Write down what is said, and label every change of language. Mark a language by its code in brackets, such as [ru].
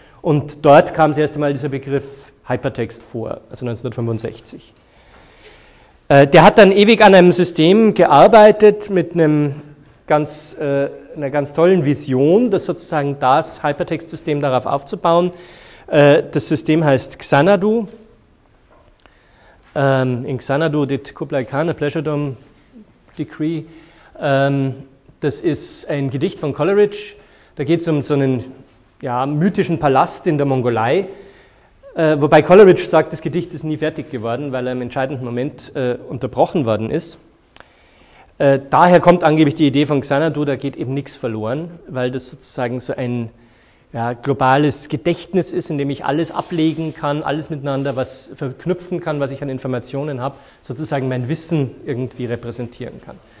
[de] Und dort kam das erste Mal dieser Begriff Hypertext vor, also 1965. Der hat dann ewig an einem System gearbeitet mit einer ganz tollen Vision, das sozusagen das Hypertext-System darauf aufzubauen. Das System heißt Xanadu. [en] In Xanadu did Kublai Khan a pleasure dome decree. [de] Das ist ein Gedicht von Coleridge. Da geht es um so einen ja, mythischen Palast in der Mongolei. Wobei Coleridge sagt, das Gedicht ist nie fertig geworden, weil er im entscheidenden Moment unterbrochen worden ist. Daher kommt angeblich die Idee von Xanadu, da geht eben nichts verloren, weil das sozusagen so ein ja, globales Gedächtnis ist, in dem ich alles ablegen kann, alles miteinander was verknüpfen kann, was ich an Informationen habe, sozusagen mein Wissen irgendwie repräsentieren kann.